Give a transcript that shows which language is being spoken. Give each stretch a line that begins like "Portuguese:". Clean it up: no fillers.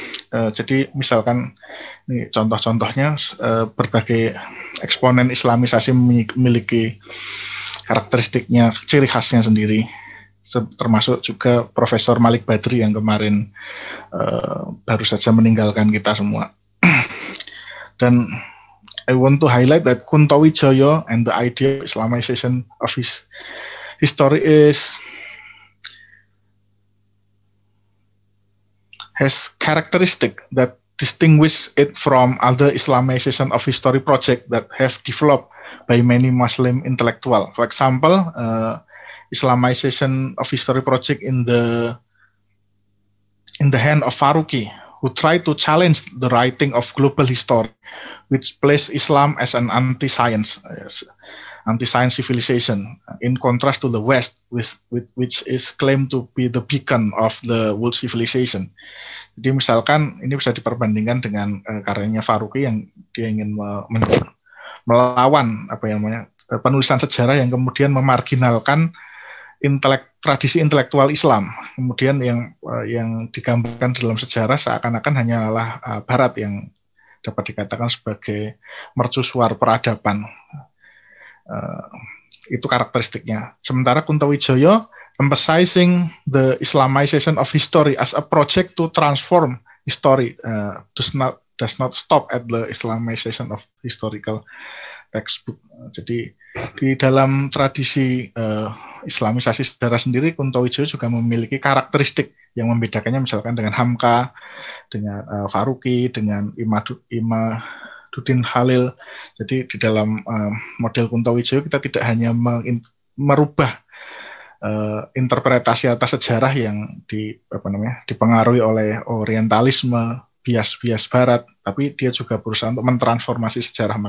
Indonesian: Jadi misalkan ini contoh-contohnya, berbagai eksponen Islamisasi memiliki karakteristiknya, ciri khasnya sendiri, termasuk juga Profesor Malik Badri yang kemarin baru saja meninggalkan kita semua. Dan
English: I want to highlight that Kuntowijoyo and the idea of Islamization of his history has characteristic that distinguish it from other Islamization of history project that have developed by many Muslim intellectual. For example, Islamization of history project in the hand of Faruqi, who tried to challenge the writing of global history, which placed Islam as an anti-science civilization, in contrast to the West, which is claimed to be the beacon of the world civilization.
Indonesian: Jadi misalkan ini bisa diperbandingkan dengan karyanya Faruqi yang dia ingin melawan apa yang namanya penulisan sejarah yang kemudian memarginalkan tradisi intelektual Islam, kemudian yang digambarkan dalam sejarah seakan-akan hanyalah Barat yang dapat dikatakan sebagai mercusuar peradaban. Itu karakteristiknya. Sementara
English: Kuntowijoyo emphasizing the Islamization of history as a project to transform history does not stop at the Islamization of historical textbook.
Indonesian: Jadi di dalam tradisi Islamisasi sejarah sendiri, Kuntowijoyo juga memiliki karakteristik yang membedakannya misalkan dengan Hamka, dengan Faruqi, dengan Imaduddin Halil. Jadi di dalam model Kuntowijoyo kita tidak hanya merubah interpretasi atas sejarah yang dipengaruhi oleh orientalisme, bias-bias Barat, tapi dia juga berusaha untuk mentransformasi sejarah.